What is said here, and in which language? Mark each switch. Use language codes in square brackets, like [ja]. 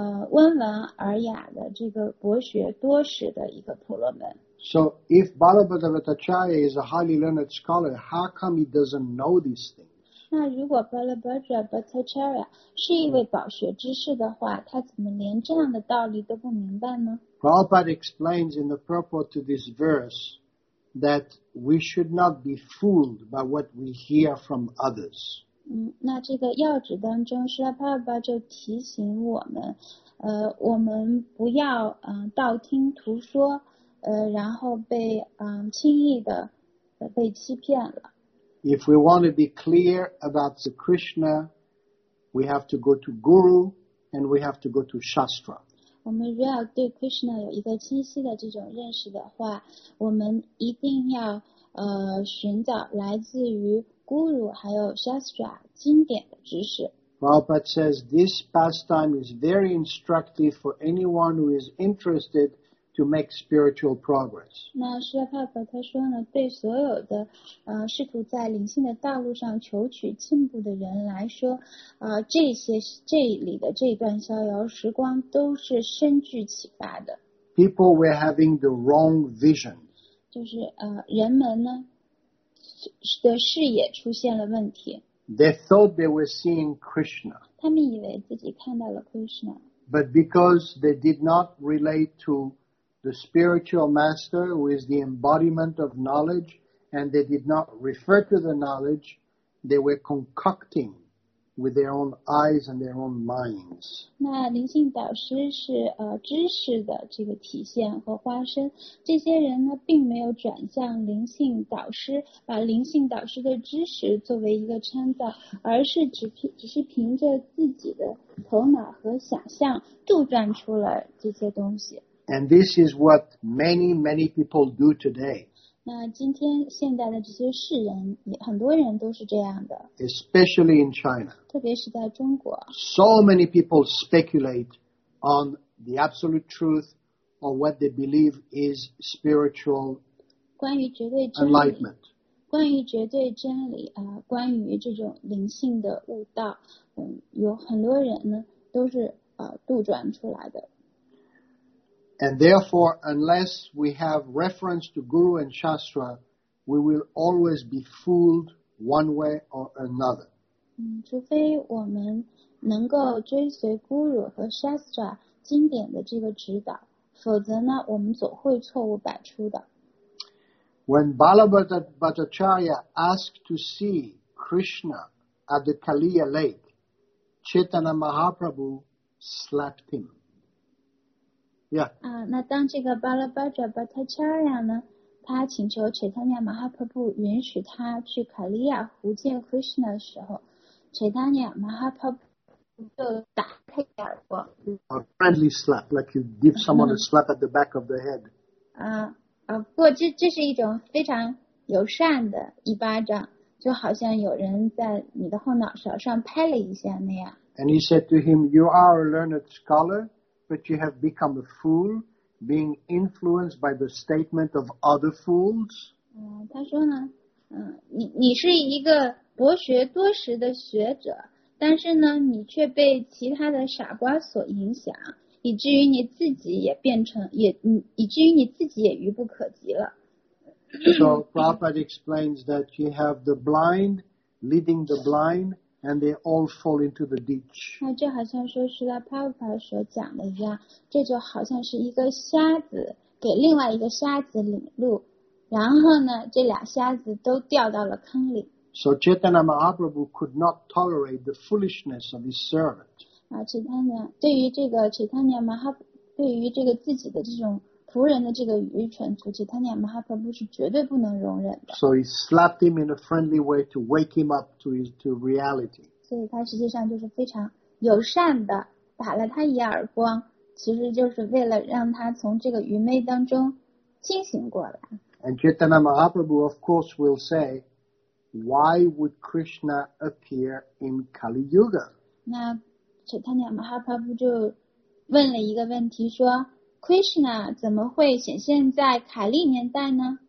[zh] 温文尔雅的这个博学多识的一个婆罗门。 [en] So if Balabhadra Bhattacharya is a highly learned scholar, how come he doesn't know these things? [zh] 那如果 Balabhadra Bhattacharya 是一位饱学之士的话，他怎么连这样的道理都不明白呢？ [en] Prabhupada explains in the purport to this verse that we should not be fooled by what we hear from others. [zh] 那这个要旨当中 Prabhupada 就提醒我们，我们不要道听途说。然后被轻易的被欺骗了。 [en] If we want to be clear about the Krishna, we have to go to Guru and we have to go to Shastra. [zh] 我们如要对 Krishna 有一个清晰的这种认识的话，我们一定要寻找来自于 Guru 还有 Shastra 经典的知识。 [en] Prabhupada says this pastime is very instructive for anyone who is interested. To make spiritual progress. [zh] 那释迦牟尼佛他说呢，对所有的试图在灵性的道路上求取进步的人来说，这里的这段逍遥时光都是深具启发的。 [en] People were having the wrong visions. [zh] 就是人们呢的视野出现了问题。 [en] They thought they were seeing Krishna. [zh] 他们以为自己看到了 Krishna. [en] But because they did not relate toThe spiritual master who is the embodiment of knowledge and they did not refer to the knowledge they were concocting with their own eyes and their own minds. [zh] 那灵性导师是知识的这个体现和化身，这些人呢并没有转向灵性导师，把灵性导师的知识作为一个参照，而是只是凭着自己的头脑和想象杜撰出了这些东西。 [en] And this is what many, many people do today. [zh] 那今天现代的这些世人，很多人都是这样的。 [en] Especially in China. [zh] 特别是在中国。 [en] So many people speculate on the absolute truth or what they believe is spiritual enlightenment. [zh] 关于绝对真理，关于这种灵性的悟道，有很多人呢，都是杜撰出来的。 [en] And therefore, unless we have reference to Guru and Shastra, we will always be fooled one way or another. [zh] 除非我们能够追随 Guru 和 Shastra 经典的这个指导，否则呢，我们总会错误百出的。 [en] When Balabhadra Bhattacharya asked to see Krishna at the Kaliya Lake, Chaitanya Mahaprabhu slapped him. Yeah. [zh] 那当这个 Balabhadra Bhattacharya 呢，他请求 Chaitanya Mahaprabhu 允许他去 Kaliya 湖见 Krishna 的时候， Chaitanya Mahaprabhu 就打他一耳光。 [en] A friendly slap, like you give someone a slap at the back of the head. [zh] 不过这是一种非常友善的一巴掌，就好像有人在你的后脑勺上拍了一下那样。 [en] And he said to him, "You are a learned scholar." But you have become a fool, being influenced by the statement of other fools. [zh] 他说呢，你是一个博学多识的学者，但是呢，你却被其他的傻瓜所影响，以至于你自己也变成也以至于你自己也愚不可及了。 [en] So Prabhupada explains that you have the blind leading the blind. And they all fall into the ditch. [zh] 那就好像说是在 Prabhupada 所讲的一样，这就好像是一个瞎子给另外一个瞎子领路，然后呢，这俩瞎子都掉到了坑里。 [en] So Chaitanya Mahaprabhu could not tolerate the foolishness of his servant. [zh] 啊，对于这个自己的这种仆人的这个愚蠢，就 Chaitanya Mahaprabhu 是绝对不能容忍的。 [en] So he slapped him in a friendly way to wake him up to reality. [zh] 所以他实际上就是非常友善的打了他一耳光，其实就是为了让他从这个愚昧当中清醒过来。 [en] And Chaitanya Mahaprabhu, of course, will say, "Why would Krishna appear in Kali Yuga?" [zh] 那 Chaitanya Mahaprabhu 就问了一个问题说。 Krishna 怎么会显现在卡利年代呢？